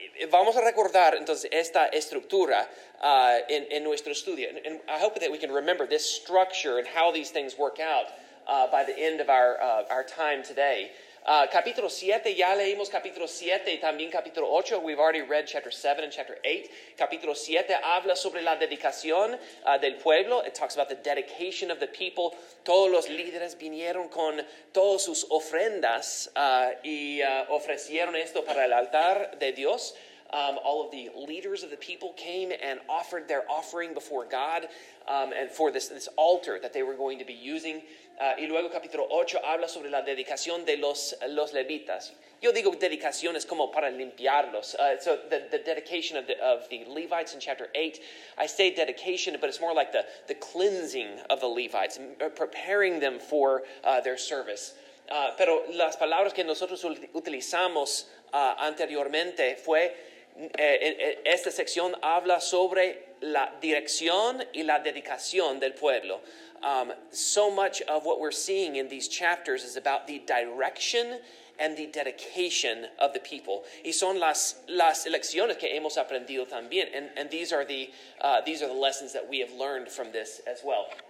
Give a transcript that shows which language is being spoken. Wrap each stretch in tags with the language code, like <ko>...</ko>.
<es>Vamos a recordar entonces esta estructura en nuestro estudio.</es> <en>And I hope that we can remember this structure and how these things work out by the end of our time today.</en> <es>Capítulo 7, ya leímos capítulo 7 y también capítulo 8.</es> <en>We've already read chapter 7 and chapter 8.</en> <es>Capítulo 7 habla sobre la dedicación del pueblo.</es> <en>It talks about the dedication of the people.</en> <es>Todos los líderes vinieron con todas sus ofrendas y ofrecieron esto para el altar de Dios.</es> <en>All of the leaders of the people came and offered their offering before God and for this altar that they were going to be using.</en> <es>Y luego capítulo 8 habla sobre la dedicación de los levitas. Yo digo dedicación es como para limpiarlos.</es> <en>So the dedication of the Levites in chapter 8, I say dedication, but it's more like the cleansing of the Levites, preparing them for their service.</en> <es>Pero las palabras que nosotros utilizamos anteriormente fue, esta sección habla sobre la dirección y la dedicación del pueblo.</es> <en>So much of what we're seeing in these chapters is about the direction and the dedication of the people.</en> <es>Y son las lecciones que hemos aprendido también.</es> <en>And these are the lessons that we have learned from this as well.</en>